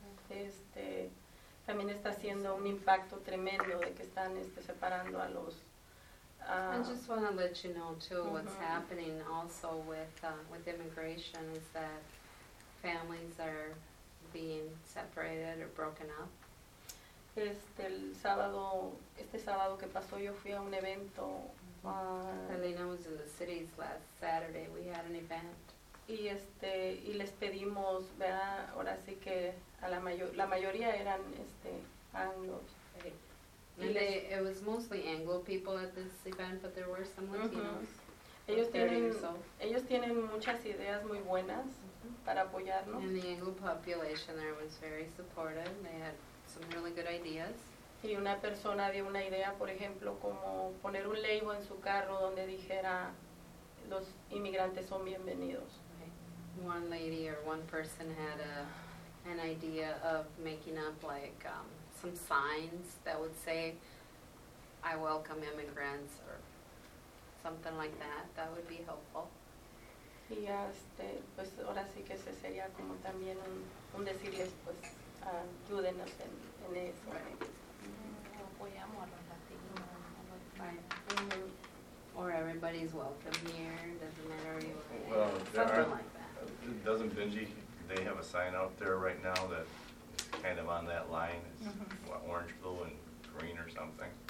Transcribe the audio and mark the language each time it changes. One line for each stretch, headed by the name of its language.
Spanish: Este también está haciendo un impacto tremendo de que están separando a los
English: I just want to let you know too what's happening also with immigration is that families are being separated or broken up.
Spanish: Este sábado que pasó yo fui a un evento.
English: Elena was in the cities last Saturday. We had an event.
Spanish: Y les pedimos, ¿verdad? Ahora sí que a la mayoría eran anglos.
English: It was mostly Anglo people at this event, but there were some Latinos.
Spanish: Ellos tienen muchas ideas muy buenas para apoyarnos.
English: And the Anglo population there was very supportive. They had some really good ideas.
Spanish: Y una persona dio una idea, por ejemplo, como poner un label en su carro donde dijera los inmigrantes son bienvenidos.
English: Right. One lady or one person had an idea of making up like some signs that would say I welcome immigrants or something like that would be helpful.
Spanish: Y pues ahora sí que ese sería como también un decirles pues ayúdenos en eso. Apoyamos a los latinos.
English: Or everybody's welcome here, doesn't matter where you are. Well, something like that. Doesn't Benji, they have a sign out there right now that is kind of on that line. It's what, orange, blue, and green or something.